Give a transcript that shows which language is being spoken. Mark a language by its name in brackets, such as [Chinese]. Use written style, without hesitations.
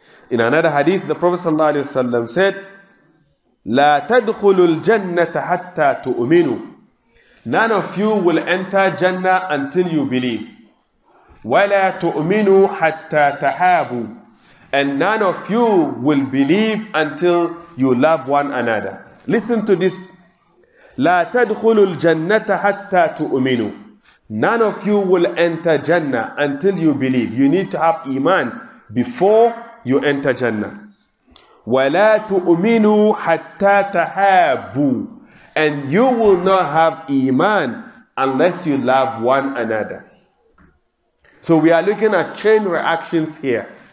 [English] In another hadith, the Prophet sallallahu alaihi wasallam said, [Arabic] "La tadkhulu al-jannata hatta tu'minu." [English] None of you will enter Jannah until you believe. [Arabic] "Wa la tu'minu hatta tahabu." [English] And none of you will believe until you love one another. Listen to this. [Arabic] لا تدخل الجنة حتى تؤمنوا. [English] None of you will enter Jannah until you believe. You need to have iman before you enter Jannah. [Arabic] ولا تؤمنوا حتى تحابوا. [English] And you will not have iman unless you love one another. So we are looking at chain reactions here.